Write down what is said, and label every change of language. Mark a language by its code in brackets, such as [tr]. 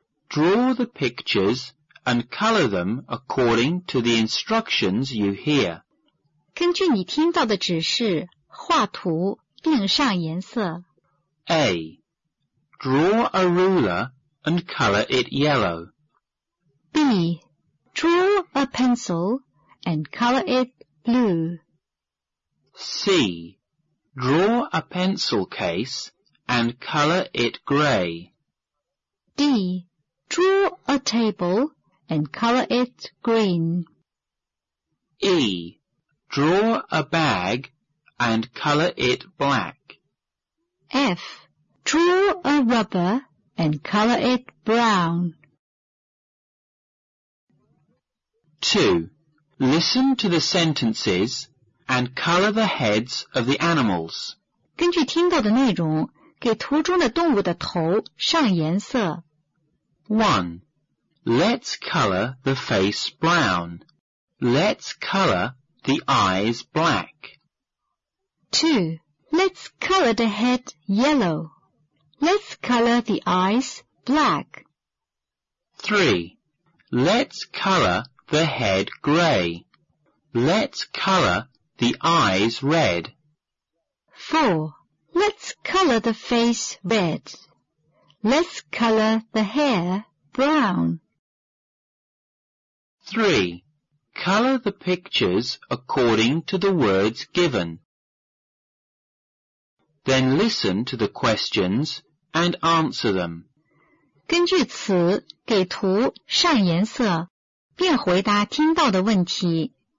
[en] Draw the pictures and color them according to the instructions you hear. [zh] 根据你听到的指示，画图并上颜色。 [en] A. Draw a ruler and color it yellow. B. Draw a pencil and color it blue. C. Draw a pencil case and color it gray. D. Draw a table and color it green. E. Draw a bag and color it black. F. Draw a rubber and color it brown. 2. Listen to the sentences and color the heads of the animals. [zh] 根据听到的内容，给图中的动物的头上颜色。 [en] 1. Let's color the face brown. Let's color the eyes black. 2. Let's color the head yellow. Let's color the eyes black. 3. Let's color the head gray. Let's color the eyes red. 4. Let's color the face red. Let's color the hair brown. 3. Color the pictures according to the words given. Then listen to the questions and answer them. [zh] 根据词给图上颜色，并回答听到的问题。